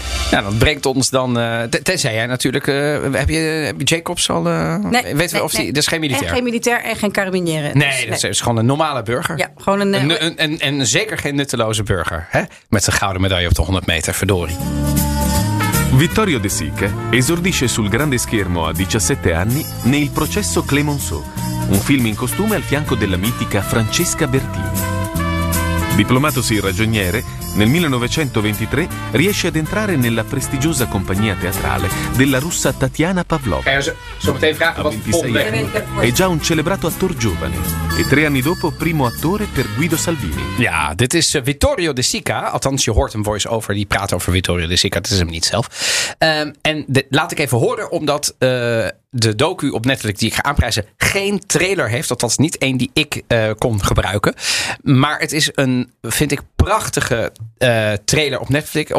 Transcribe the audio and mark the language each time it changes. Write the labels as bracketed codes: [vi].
[nl] Ja, dat brengt ons dan. Tenzij jij natuurlijk. Heb je Jacobs al. Dat is geen militair. Geen militair en geen carabinière. Dat is gewoon een normale burger. Ja, gewoon een zeker geen nutteloze burger. Hè? Met zijn gouden medaille op de 100 meter, verdorie. [it] Vittorio De Sica esordisce sul grande schermo a 17 anni. Nel processo Clemenceau. Un film in costume al fianco della mitica Francesca Bertini. Diplomatosi ragioniere. Nel 1923 riesce ad entrare nella prestigiosa compagnia teatrale della russa Tatiana Pavlova. A 26 anni è già un celebrato attore giovane e 3 anni dopo primo attore per Guido Salvini. [nl] Ja, dit is Vittorio De Sica. Althans, je hoort een voice-over die praat over Vittorio De Sica. Dat is hem niet zelf. Laat ik even horen, omdat de docu op Netflix die ik ga aanprijzen geen trailer heeft. Althans, niet één die ik kon gebruiken. Maar het is een, vind ik, prachtige trailer op Netflix.